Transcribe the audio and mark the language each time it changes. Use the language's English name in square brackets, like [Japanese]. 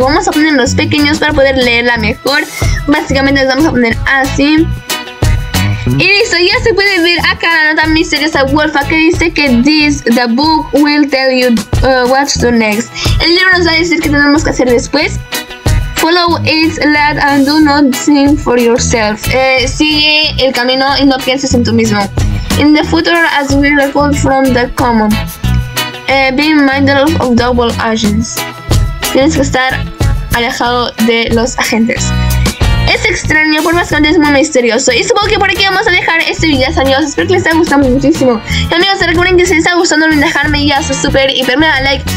[Spanish] Vamos a ponernos pequeños para poder leerla mejor. Básicamente, nos vamos a poner así. Y listo, ya se puede ver acá la nota misteriosa Wolfpack, que dice que [English] this, the book will tell you what to do next. [Spanish] El libro nos va a decir qué tenemos que hacer después. [English] Follow its lead and do not think for yourself. [Spanish] Sigue el camino y no pienses en tú mismo. [English] In the future, as we recall from the common, be mindful of double agents. [Spanish] Tienes que estar alejado de los agentes. Es extraño, por más que es muy misterioso. Y supongo que por aquí vamos a dejar este video, amigos. Espero que les haya gustado muchísimo. Y amigos, recuerden que si les está gustando, olviden dejarme ya su super hiper mega like.